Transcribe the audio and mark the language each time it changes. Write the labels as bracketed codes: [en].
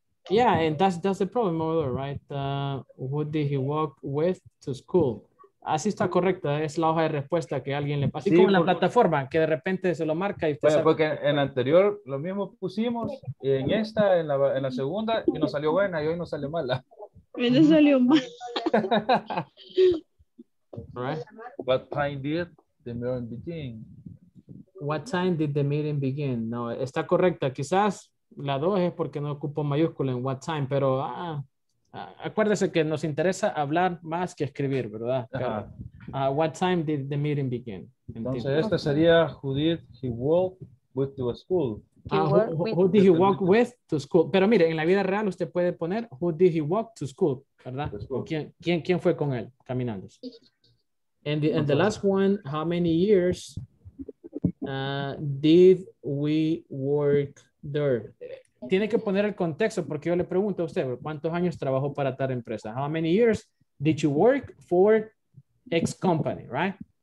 [en] Yeah, and that's the problem over there, right? Who did he walk with to school? [es] Así está correcta, es la hoja de respuesta que alguien le pasó. Así como en la plataforma, que de repente se lo marca y usted bueno, sabe. Porque en la anterior lo mismo pusimos, y en esta, en la segunda, y nos salió buena y hoy nos sale mala. Me salió mal. [en] Right. What time did the meeting begin? What time did the meeting begin? [es] No, está correcta. Quizás la dos es porque no ocupo mayúscula en what time, pero... acuérdese que nos interesa hablar más que escribir, ¿verdad? [en] What time did the meeting begin? [es] Entonces, esta sería [en] who did he walk with to school? Who did he walk with to school? [es] Pero mire, en la vida real usted puede poner [en] who did he walk to school, [es] ¿verdad? School. ¿Quién fue con él caminando? [en] And the last one, how many years did we work there? [es] Tiene que poner el contexto porque yo le pregunto a usted, ¿cuántos años trabajó para tal empresa? [en] How many years did you work for X company, right?